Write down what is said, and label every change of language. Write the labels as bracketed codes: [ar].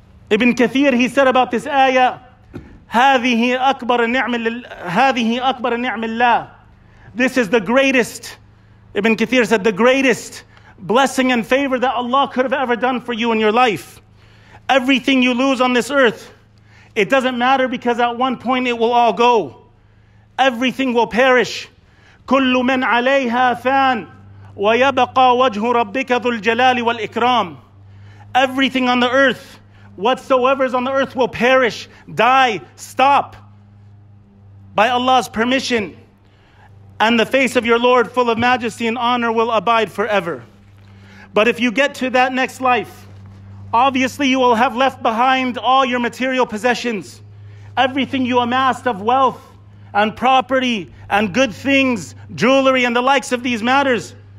[en] Ibn Kathir, he said about this ayah, this is the greatest, Ibn Kathir said, the greatest blessing and favor that Allah could have ever done for you in your life. Everything you lose on this earth, it doesn't matter, because at one point it will all go. Everything will perish. [ar] كل من عليها فان ويبقى وجه ربك ذو الجلال والإكرام. [en] Everything on the earth, whatsoever is on the earth, will perish, die, stop by Allah's permission, and the face of your Lord, full of majesty and honor, will abide forever. But if you get to that next life, obviously you will have left behind all your material possessions, everything you amassed of wealth and property and good things, jewelry and the likes of these matters.